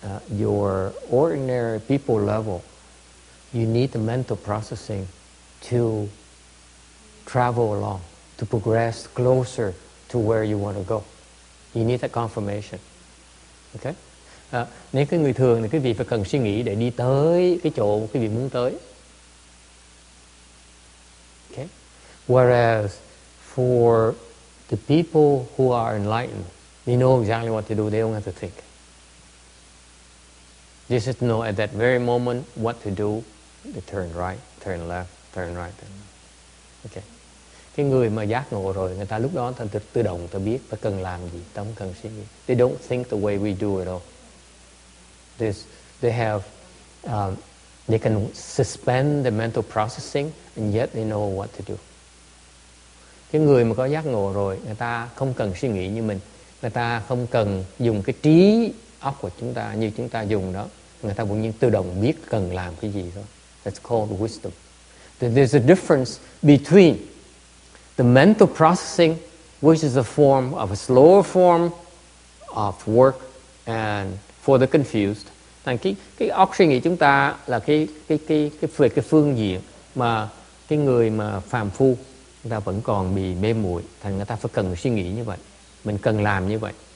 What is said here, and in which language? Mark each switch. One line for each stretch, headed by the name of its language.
English: your ordinary people level, you need the mental processing to travel along, to progress closer to where you want to go. You need that confirmation. Okay?
Vietnamese: Nếu cái người thường thì quý vị phải cần suy nghĩ để đi tới cái chỗ quý vị muốn tới.
English: Okay? Whereas for the people who are enlightened, they know exactly what to do. They don't have to think. They just know at that very moment what to do. They turn right, turn left, turn right, turn left. Okay.
Vietnamese: Cái người mà giác ngộ rồi, người ta lúc đó ta tự động ta biết ta cần làm gì, ta không cần suy nghĩ.
English: They don't think the way we do it all. They can suspend the mental processing and yet they know what to do.
Vietnamese: Cái người mà có giác ngộ rồi, người ta không cần suy nghĩ như mình. Người ta không cần dùng cái trí óc của chúng ta như chúng ta dùng đó. Người ta cũng như tự động biết cần làm cái gì thôi.
English: That's called wisdom. There's a difference between the mental processing, which is a form of a slower form of work and for the confused.
Vietnamese: Thành cái óc suy nghĩ chúng ta là cái phương diện mà cái người mà phàm phu người ta vẫn còn bị mê muội, thành người ta phải cần suy nghĩ như vậy, mình cần làm như vậy.